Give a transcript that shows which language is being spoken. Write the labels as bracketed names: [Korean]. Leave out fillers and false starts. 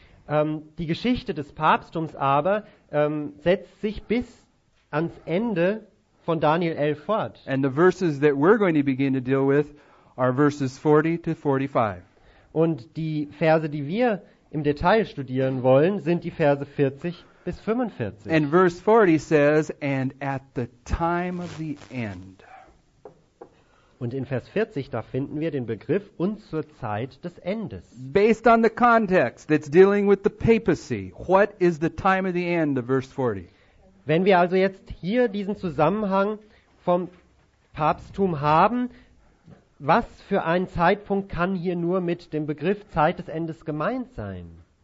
[German] Die Geschichte des Papsttums aber setzt sich bis ans Ende von Daniel 11 fort. [English] And the verses that we're going to begin to deal with are verses 40 to 45. [German] Und die Verse, die wir im Detail studieren wollen, sind die Verse 40 bis 45. [English] And verse 40 says, and at the time of the end. [German] Und in Vers 40, da finden wir den Begriff und zur Zeit des Endes. [English] Based on the context that's dealing with the papacy, what is the time of the end of verse 40? [German] Wenn wir also jetzt hier diesen Zusammenhang vom Papsttum haben, was für ein Zeitpunkt kann hier nur mit dem Begriff Zeit des Endes gemeint sein?